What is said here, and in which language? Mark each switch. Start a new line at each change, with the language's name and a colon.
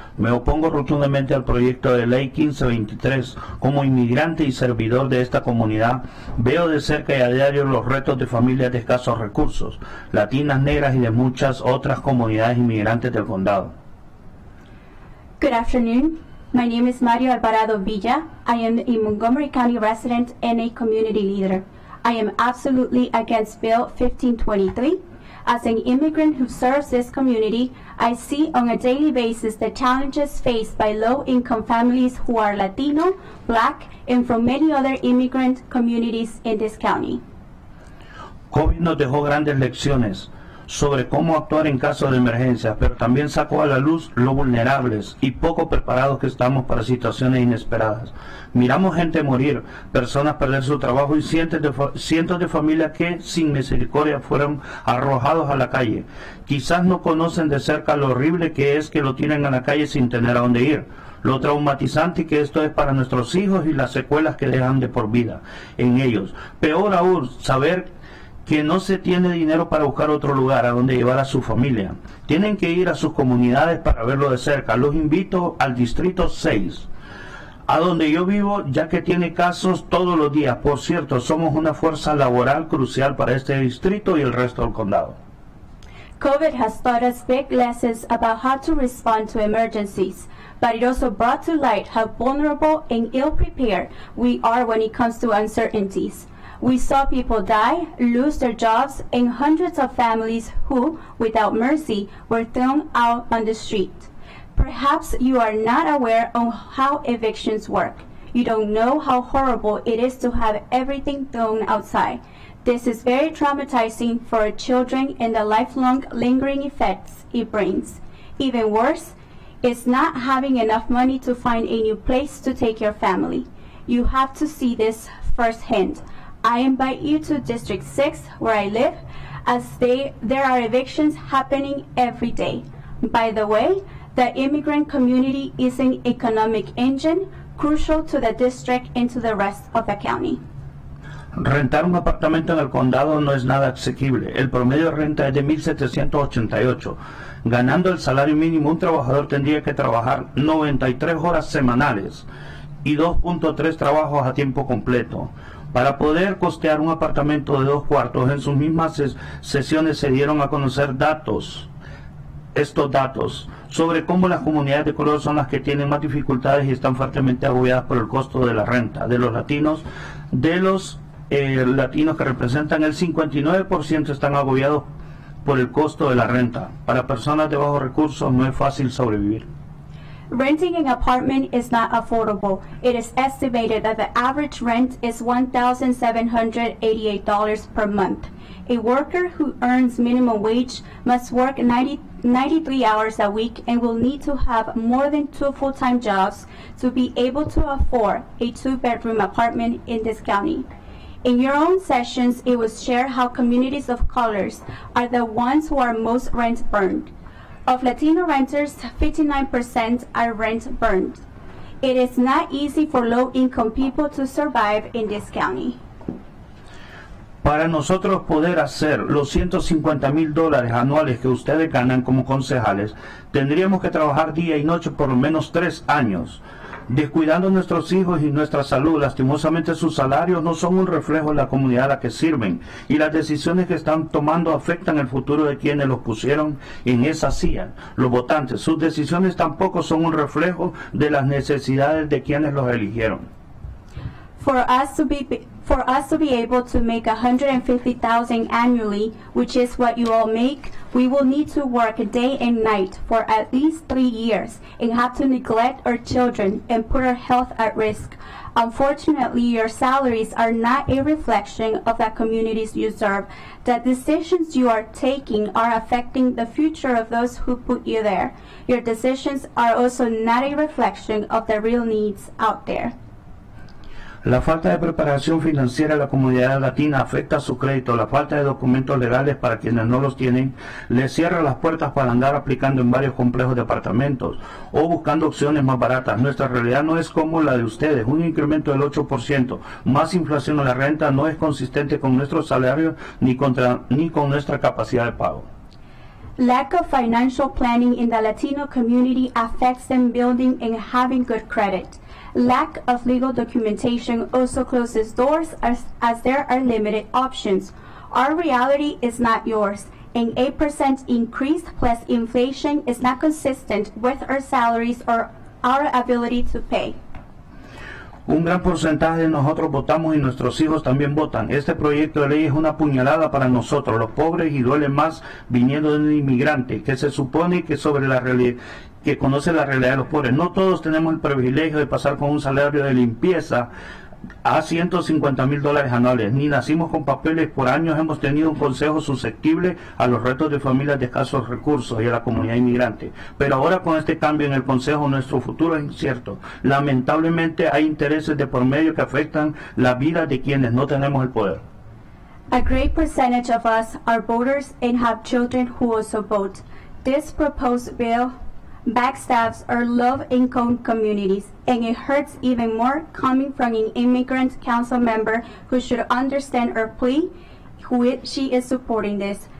Spanish: Me opongo rotundamente al proyecto de ley 1523. Como inmigrante y servidor de esta comunidad, veo de cerca y a diario los retos de familias de escasos recursos, latinas, negras y de muchas otras comunidades inmigrantes del condado.
English: Good afternoon. My name is Mario Alvarado Villa. I am a Montgomery County resident and a community leader. I am absolutely against Bill 1523. As an immigrant who serves this community, I see on a daily basis the challenges faced by low-income families who are Latino, Black, and from many other immigrant communities in this county.
Spanish: COVID nos dejó grandes lecciones sobre cómo actuar en caso de emergencia, pero también sacó a la luz lo vulnerables y poco preparados que estamos para situaciones inesperadas. Miramos gente morir, personas perder su trabajo y cientos de familias que sin misericordia fueron arrojados a la calle. Quizás no conocen de cerca lo horrible que es que lo tienen en la calle sin tener a dónde ir, lo traumatizante que esto es para nuestros hijos y las secuelas que dejan de por vida en ellos. Peor aún, saber que no se tiene dinero para buscar otro lugar a donde llevar a su familia. Tienen que ir a sus comunidades para verlo de cerca. Los invito al Distrito 6, a donde yo vivo, ya que tiene casos todos los días. Por cierto, somos una fuerza laboral crucial para este distrito y el resto del condado.
English: COVID has taught us big lessons about how to respond to emergencies, but it also brought to light how vulnerable and ill-prepared we are when it comes to uncertainties. We saw people die, lose their jobs, and hundreds of families who, without mercy, were thrown out on the street. Perhaps you are not aware of how evictions work. You don't know how horrible it is to have everything thrown outside. This is very traumatizing for children and the lifelong lingering effects it brings. Even worse, it's not having enough money to find a new place to take your family. You have to see this firsthand. I invite you to District 6, where I live, as there are evictions happening every day. By the way, the immigrant community is an economic engine crucial to the district and to the rest of the county.
Spanish: Rentar un apartamento en el condado no es nada asequible. El promedio de renta es de $1,788. Ganando el salario mínimo, un trabajador tendría que trabajar 93 horas semanales y 2.3 trabajos a tiempo completo. Para poder costear un apartamento de dos cuartos, en sus mismas sesiones se dieron a conocer estos datos, sobre cómo las comunidades de color son las que tienen más dificultades y están fuertemente agobiadas por el costo de la renta de los latinos que representan el 59% están agobiados por el costo de la renta. Para personas de bajos recursos no es fácil sobrevivir.
English: Renting an apartment is not affordable. It is estimated that the average rent is $1,788 per month. A worker who earns minimum wage must work 93 93 hours a week and will need to have more than two full-time jobs to be able to afford a two-bedroom apartment in this county. In your own sessions, it was shared how communities of colors are the ones who are most rent burned. Of Latino renters, 59% are rent burned. It is not easy for low-income people to survive in this county.
Spanish: Para nosotros poder hacer los $150,000 anuales que ustedes ganan como concejales, tendríamos que trabajar día y noche por lo menos 3 años. Descuidando nuestros hijos y nuestra salud, lastimosamente sus salarios no son un reflejo de la comunidad a la que sirven, y las decisiones que están tomando afectan el futuro de quienes los pusieron en esa silla, los votantes. Sus decisiones tampoco son un reflejo de las necesidades de quienes los eligieron.
English: For us to be able to make $150,000 annually, which is what you all make, we will need to work day and night for at least 3 years and have to neglect our children and put our health at risk. Unfortunately, your salaries are not a reflection of the communities you serve. The decisions you are taking are affecting the future of those who put you there. Your decisions are also not a reflection of the real needs out there.
Spanish: La falta de preparación financiera de la comunidad latina afecta su crédito. La falta de documentos legales para quienes no los tienen les cierra las puertas para andar aplicando en varios complejos de apartamentos o buscando opciones más baratas. Nuestra realidad no es como la de ustedes. Un incremento del 8% más inflación en la renta no es consistente con nuestro salario ni con nuestra capacidad de pago.
English: Lack of financial planning in the Latino community affects them building and having good credit. Lack of legal documentation also closes doors as there are limited options. Our reality is not yours. An 8% increase plus inflation is not consistent with our salaries or our ability to pay.
Spanish: Un gran porcentaje de nosotros votamos y nuestros hijos también votan. Este proyecto de ley es una puñalada para nosotros, los pobres, y duele más viniendo de un inmigrante que se supone que sobre la realidad, que conoce la realidad de los pobres. No todos tenemos el privilegio de pasar con un salario de limpieza a $150,000 anuales. Ni nacimos con papeles. Por años hemos tenido un consejo susceptible a los retos de familias de escasos recursos y a la comunidad inmigrante. Pero ahora con este cambio en el consejo, nuestro futuro es incierto. Lamentablemente hay intereses de por medio que afectan la vida de quienes no tenemos el poder.
English: A great percentage of us are voters and have children who also vote. This proposed bill backstabs our low-income communities, and it hurts even more coming from an immigrant council member who should understand our plea, which she is supporting this.